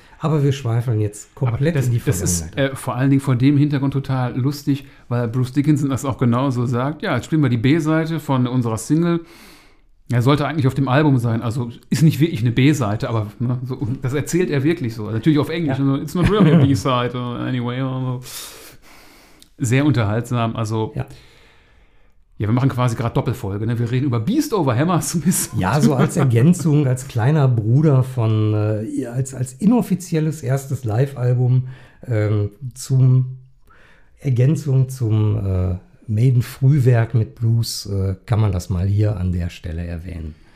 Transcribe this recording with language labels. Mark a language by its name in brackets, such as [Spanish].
[German] Aber wir schweifeln jetzt komplett in die Vergangenheit. Das ist vor allen Dingen von dem Hintergrund total lustig, weil Bruce Dickinson das auch genauso sagt. Ja, jetzt spielen wir die B-Seite von unserer Single. Er sollte eigentlich auf dem Album sein, also ist nicht wirklich eine B-Seite, aber ne, so, das erzählt er wirklich so. Natürlich auf Englisch, ja. [English] It's not really a B-Seite, anyway. [German] Sehr unterhaltsam, also ja, wir machen quasi gerade Doppelfolge, ne? Wir reden über Beast Over Hammersmith. Ja, so als Ergänzung, als kleiner Bruder von, als inoffizielles erstes Live-Album zum Ergänzung zum Maiden-Frühwerk mit Blues, kann man das mal hier an der Stelle erwähnen.